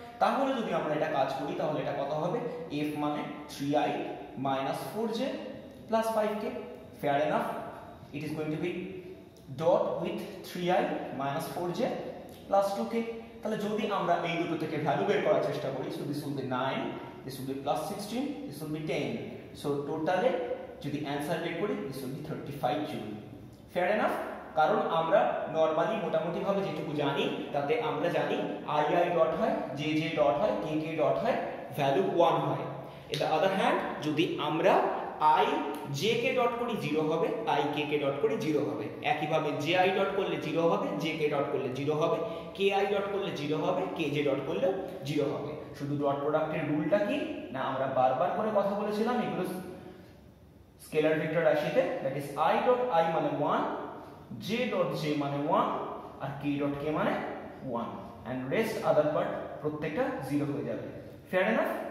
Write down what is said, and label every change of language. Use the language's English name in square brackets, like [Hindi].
[Bangla] তাহলে যদি আমরা এটা কাজ করি তাহলে এটা কত হবে এফ মানে 3i minus 4j plus 5k. [English] Fair enough it is going to be dot with 3i minus 4j plus 2k. [Bangla] তাহলে যদি আমরা এই দুটো থেকে ভ্যালু বের করার চেষ্টা করি [English] So this will be 9 this will be plus 16, this will be 10. So total এ যদি answer বের করি this will be 35 joule. Fair enough? [Bangla] কারণ আমরা normally মোটামুটি ভাবে যেটুকু জানি তাতে আমরা জানি ii dot হয়, jj dot হয়, kk dot হয়, value 1 হয়. [English] In the other hand, [Bangla] যদি আমরা i jk dot করি 0 হবে, i kk dot করি 0 হবে. একইভাবে ji dot করলে 0 হবে, jk dot করলে 0 হবে, ki dot করলে 0 হবে, kj dot করলে 0 হবে. শুধু ডট প্রোডাক্টের রুলটা কি না আমরা বারবার করে কথা বলেছিলাম এগুলো স্কেলার ভেক্টর রাশিতে that is i dot i মানে 1 j ডট j মানে 1 আর k ডট k মানে 1 এন্ড রেস্ট আদার পার্ট প্রত্যেকটা 0 হয়ে যাবে. Fair enough?